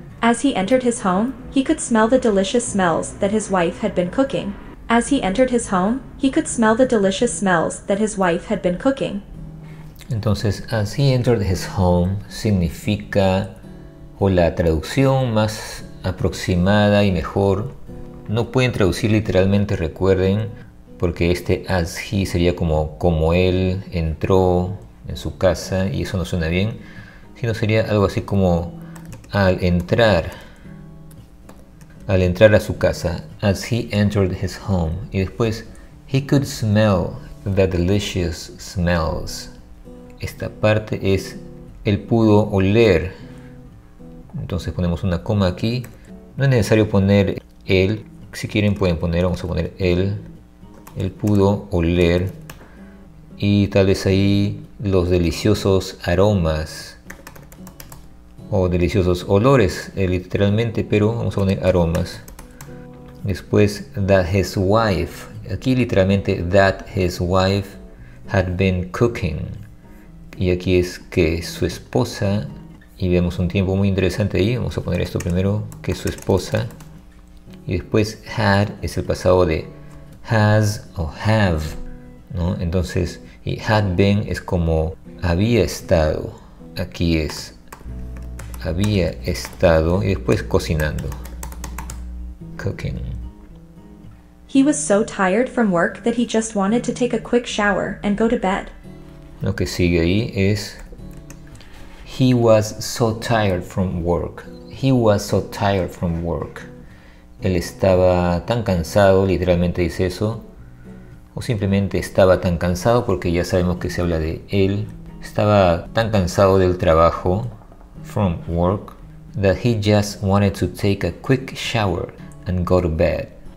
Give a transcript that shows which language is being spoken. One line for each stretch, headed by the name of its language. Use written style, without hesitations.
English: As he entered his home, he could smell the delicious smells that his wife had been cooking. As he entered his home, he could smell the delicious smells that his wife had been cooking.
Spanish: Entonces,
English: as he entered his home
Spanish: significa, o la traducción más aproximada y mejor, no pueden traducir literalmente, recuerden, porque este as he sería como él entró en su casa, y eso no suena bien, sino sería algo así como al entrar a su casa, as he entered his home. Y después,
English: he could smell the delicious smells.
Spanish: Esta parte es, él pudo oler. Entonces ponemos una coma aquí. No es necesario poner él. Si quieren pueden poner, vamos a poner él. Él pudo oler. Y tal vez ahí los deliciosos aromas. O deliciosos olores, literalmente, pero vamos a poner aromas. Después,
English: that his wife.
Spanish: Aquí literalmente,
English: that his wife had been cooking.
Spanish: Y aquí es que su esposa, y vemos un tiempo muy interesante ahí, vamos a poner esto primero, que su esposa, y después had es el pasado de has o have, ¿no? Entonces, y had been es como había estado, aquí es, había estado, y después cocinando, cooking.
English: He was so tired from work that he just wanted to take a quick shower and go to bed.
Spanish: Lo que sigue ahí es,
English: he was so tired from work. He was so tired from work.
Spanish: Él estaba tan cansado, literalmente dice eso. O simplemente estaba tan cansado, porque ya sabemos que se habla de él. Estaba tan cansado del trabajo,
English: from work, that he just wanted to take a quick shower and go to bed.